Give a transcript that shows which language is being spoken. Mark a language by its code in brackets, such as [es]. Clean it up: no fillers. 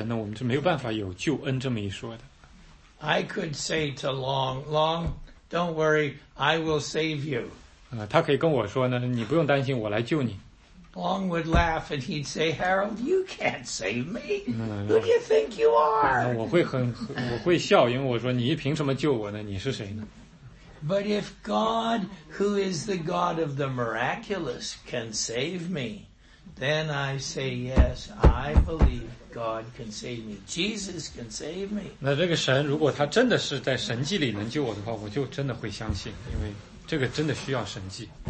[zh] 就如果耶稣不是神呢，我们是没有办法有救恩这么一说的。 [en] I could say to Long, don't worry, I will save you. [zh] 他可以跟我说呢，你不用担心，我来救你。 [en] Long would laugh and he'd say, Harold, you can't save me. Who do you think you are? [zh] 我会笑，因为我说你凭什么救我呢？你是谁呢？ [en] But if God, who is the God of the miraculous, can save me, then I say, yes, I believe God can save me. Jesus can save me. [zh] 那这个神如果他真的是在神迹里能救我的话，我就真的会相信，因为这个真的需要神迹。